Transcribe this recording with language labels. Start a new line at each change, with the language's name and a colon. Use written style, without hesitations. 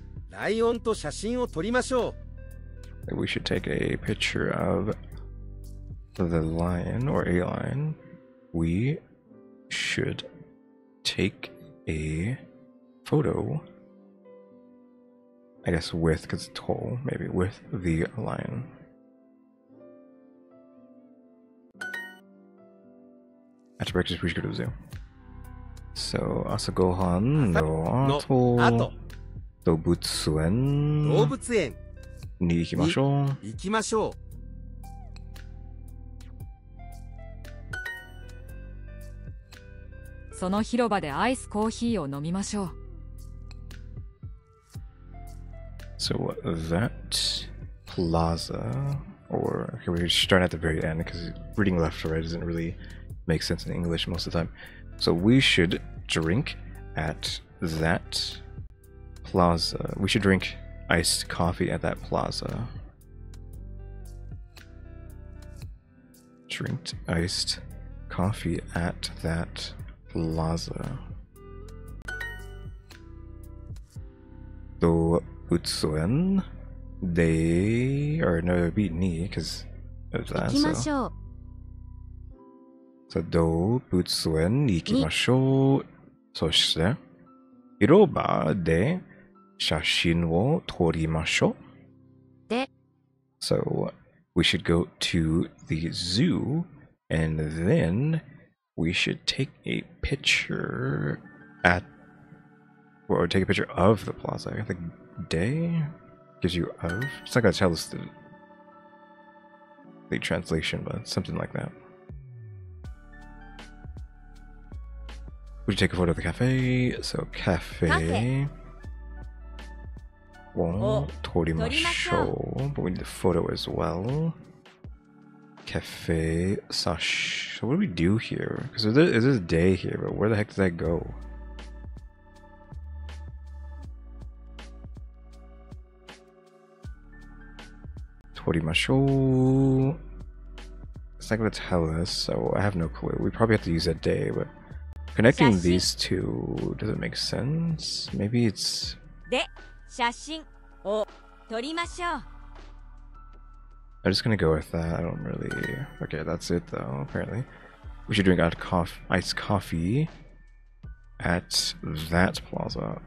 Japanese: ライオンと写真を撮りましょう。
English: We should take a picture of the lion or a lion. We should take a photo. I guess with, because it's tall, maybe with the lion. After breakfast, we should go to the zoo.
Japanese: So, 朝ごはんの後、動物園動物園に行きましょう。行きましょう。その広場でアイスコーヒーを飲みましょう。
English: So, that plaza, or okay, we're starting at the very end because reading left to right isn't really. Makes sense in English most of the time. So we should drink at that plaza. We should drink iced coffee at that plaza. Drinked iced coffee at that plaza. 動物園 They or no, it'd be ni because of that.
Japanese: 行きましょう。 So, 動物園に行きましょう。そして、広場で写真を撮りましょう。で、
English: So, we should go to the zoo, and then we should take a picture at, or take a picture of the plaza. I think day gives you of. It's not going to tell us the translation, but something like that. Would you take a photo of the cafe? So, cafe. But we need a photo as well. Cafe. Sash. So, what do we do here? Because there is a day here, but where the heck does that go? Torimasho. It's not going to tell us, so I have no clue. We probably have to use that day, but. Connecting these two doesn't make sense. Maybe it's.
Japanese: で、写真を撮りましょう。
English: I'm just gonna go with that. I don't really. Okay, that's it though, apparently. We should drink iced coffee at that plaza.